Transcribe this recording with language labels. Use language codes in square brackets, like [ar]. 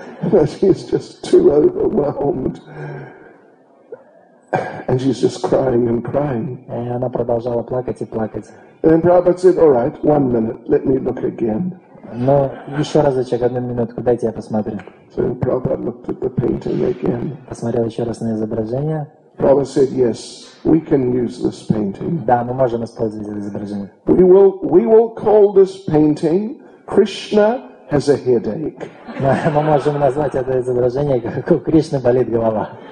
[en] She's just too overwhelmed, and she's just crying and crying. [ru] И она продолжала плакать и плакать. [en] And Prabhupada said, "All right, one minute. Let me look again." [ru] Но еще разочек, одну минутку, дайте я посмотрю. [en] So Prabhupada looked at the painting again. [ru] Посмотрел еще раз на изображение. [en] Prabhupada said, "Yes, we can use this painting." [ru] Да, мы можем использовать это изображение. [en] We will call this painting "Krishna has a headache." [ru] Мы можем назвать это изображение как "У Кришны болит голова."